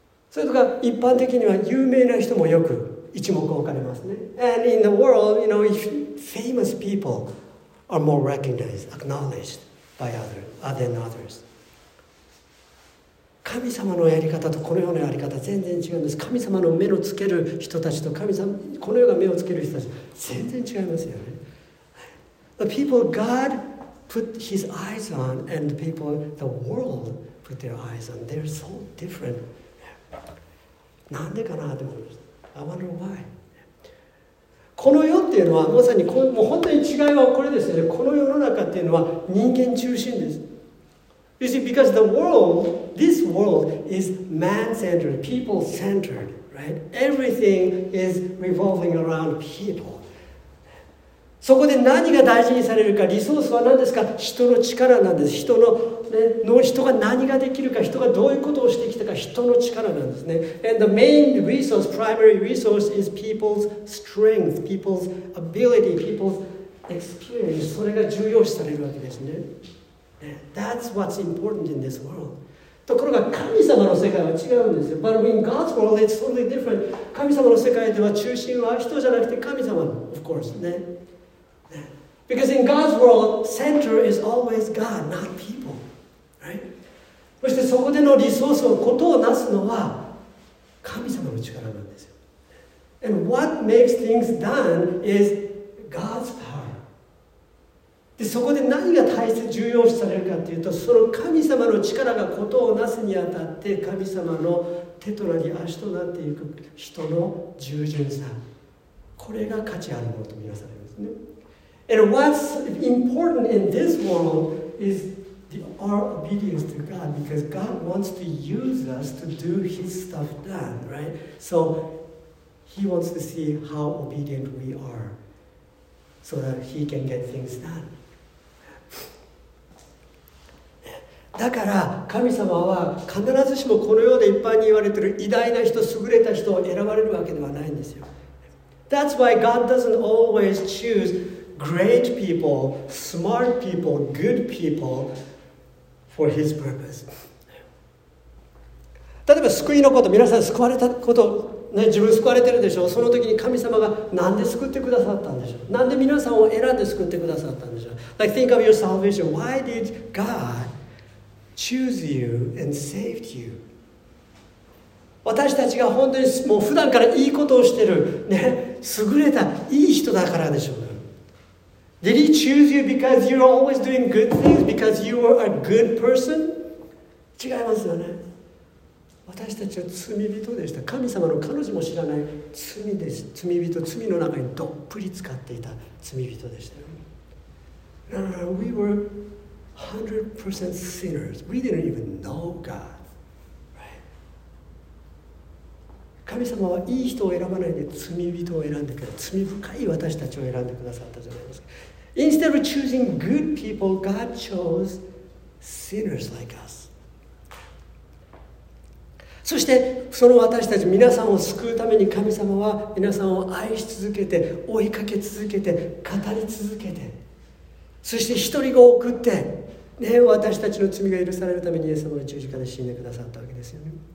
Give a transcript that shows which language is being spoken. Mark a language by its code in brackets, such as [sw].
[ja] それとか一般的には有名な人もよく一目置かれますね。 [en] And in the world, you know, famous people are more recognized, acknowledged by than others. [ja] 神様のやり方とこの世のやり方全然違うんです。神様の目のつける人たちと神様この世が目をつける人たち全然違いますよね。 [en] The people God put his eyes on, and people, the world put their eyes on. They're so different. [ja] なんでかなと思います。 [en] I wonder why。 [ja] この世っていうのはまさにもう本当に違いはこれですよね。この世の中っていうのは人間中心です。 [en] You see, because the world, this world is man-centered, people-centered, right? Everything is revolving around people. [ja] そこで何が大事にされるか、リソースは何ですか？人の力なんです。人の、ね、の人が何ができるか、人がどういうことをしてきたか、人の力なんですね。 [en] And the main resource, primary resource is people's strength, people's ability, people's experience. [ja] それが重要視されるわけですね。 [en] That's what's important in this world. [ja] ところが神様の世界は違うんですよ。 [en] But in God's world, it's totally different. [ja] 神様の世界では中心は人じゃなくて神様、 [en] of course, ね。 Because in God's world, center is always God, not people, right? [ja] そしてそこでのリソースを、ことをなすのは神様の力なんですよ。 [en] And what makes things done is God's power. [ja] でそこで何が大切重要視されるかというと、その神様の力がことをなすにあたって神様の手となり足となっていく人の従順さ、これが価値あるものと見なされますね。 [en] And what's important in this world is our obedience to God, because God wants to use us to do His stuff done, right? So He wants to see how obedient we areSo that he can get things done. [ja] だから神様は必ずしもこの世で一般に言われている偉大な人、優れた人を選ばれるわけではないんですよ。 [en] That's why God doesn't always choose great people, smart people, good people for his purpose. [ja] 例えば救いのこと、皆さん救われたこと、ね、自分救われてるでしょ。その時に神様がなんで救ってくださったんでしょう。なんで皆さんを選んで救ってくださったんでしょう。 [en] Like, think of your salvation. Why did God choose you and saved you? [ja] 私たちが本当にもう普段からいいことをしてる、ね、優れたいい人だからでしょう。 [en] Did he choose you because you're always doing good things? Because you were a good person? [ja] 違いますよね。私たちは罪人でした。神様の彼女も知らない罪です。罪人、罪の中にどっぷり使っていた罪人でした。 [en] No, no, no, we were 100% sinners. We didn't even know God, right? [ja] 神様はいい人を選ばないで罪人を選んでくれ、罪深い私たちを選んでくださったじゃないですか。 [en] Instead of choosing good people, God chose sinners like us. [ja] そしてその私たち皆さんを救うために神様は皆さんを愛し続けて、追いかけ続けて、語り続けて、そして一人が送って、ね、私たちの罪が許されるためにイエス様の十字架で死んでくださったわけですよね。